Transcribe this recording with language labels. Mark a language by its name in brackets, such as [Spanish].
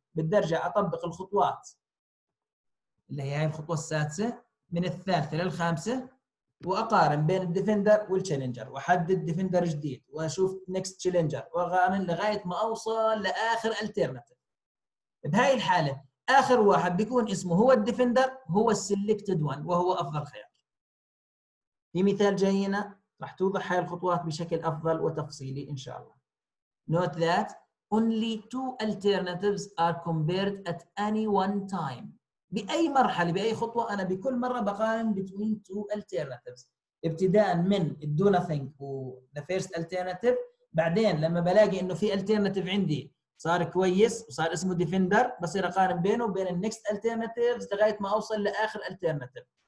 [Arabic] بدي ارجع اطبق الخطوات اللي هي الخطوه السادسه من الثالثه للخامسه واقارن بين الديفندر والتشالنجر واحدد ديفندر جديد واشوف نيكست تشالنجر واقارن لغايه ما اوصل لاخر الترناتيف. بهاي الحاله اخر واحد بيكون اسمه هو الديفندر، هو السلكتد وان وهو افضل خيار. في مثال جاينا راح توضح هاي الخطوات بشكل افضل وتفصيلي ان شاء الله. [English] Note that only two alternatives are compared at any one time. [Arabic] بأي مرحلة بأي خطوة أنا بكل مرة بقارن [English] between two alternatives، [Arabic] ابتداء من [English] do nothing [Arabic] و [English] the first alternative، [Arabic] بعدين لما بلاقي إنه في alternative عندي صار كويس وصار اسمه defender بصير أقارن بينه وبين [English] the next alternatives [Arabic] لغاية ما أوصل لآخر alternative.